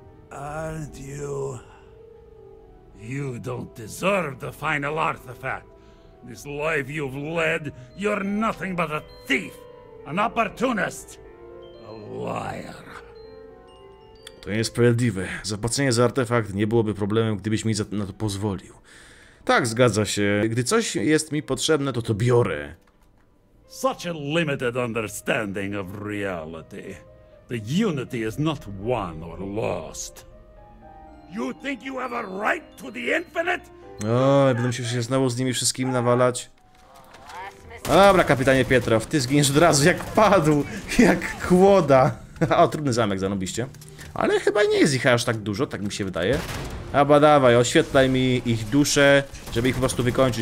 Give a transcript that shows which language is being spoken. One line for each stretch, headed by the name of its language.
English: Aren't you... You don't deserve the final artifact. This life you've led, you're nothing but a thief, an opportunist, a liar.
Polish: To nie jest sprawiedliwe. Zapłacenie za artefakt nie byłoby problemem, gdybyś mi na to pozwolił. Tak, zgadza się. Gdy coś jest mi potrzebne, to to biorę.
English: Such a limited understanding of reality. The unity is not won or lost. You think you have a right to the infinite?
Polish: Oj, będę musiał się znowu z nimi wszystkimi nawalać. Dobra, kapitanie Petrow, ty zginiesz od razu, jak padł, jak chłoda. O, trudny zamek zarobiście. Ale chyba nie jest ich aż tak dużo, tak mi się wydaje. Aba dawaj, oświetlaj mi ich dusze, żeby ich po prostu wykończyć.